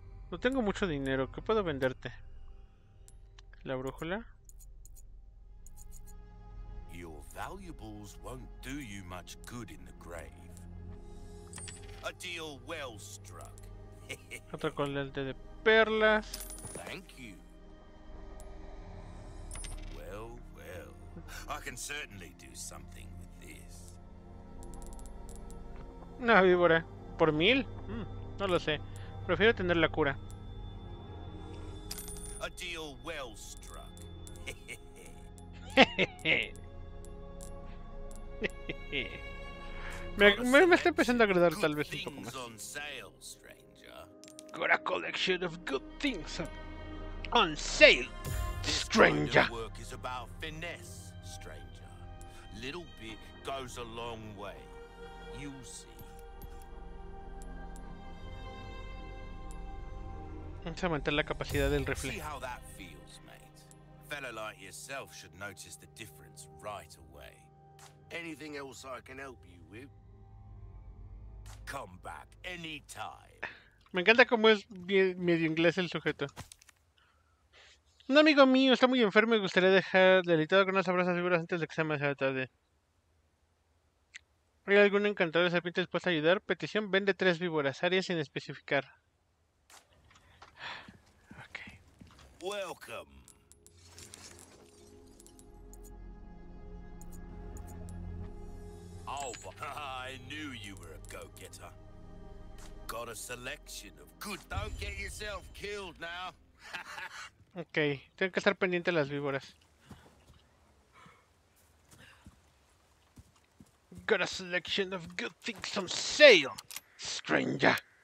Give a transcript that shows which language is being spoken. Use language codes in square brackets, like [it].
[es] No tengo mucho dinero. ¿Qué puedo venderte? La brújula. [en] Your valuables won't do you much good in the grave. A deal well struck. [es] Otro colgante de perlas. [en] Thank you. Well, well. I can certainly do something with this. [es] Una víbora. ¿Por 1000? No lo sé. Prefiero tener la cura. [en] A deal well struck. [es] Me está empezando a agradar tal vez un poco más. [en] On sale, got a collection of good things on sale, stranger. This work is about finesse, stranger. Little bit goes a long way. You'll see. [es] Vamos a aumentar la capacidad del rifle. [en] See how that feels, mate. A fellow like yourself should notice the difference right away. Anything else I can help you with? Come back anytime. [es] Me encanta cómo es medio inglés el sujeto. Un amigo mío está muy enfermo y gustaría dejar delitado con unas sabrosas figuras antes de que sea más tarde. ¿Hay algún encantador de serpientes dispuesto a ayudar? Petición, vende 3 víboras, área sin especificar. [en] Okay. Welcome. I knew you were a go-getter. Got a selection of good. Don't get yourself killed now. [es] Okay, tengo que estar pendiente de las víboras. [en] Got a selection of good things on sale, stranger.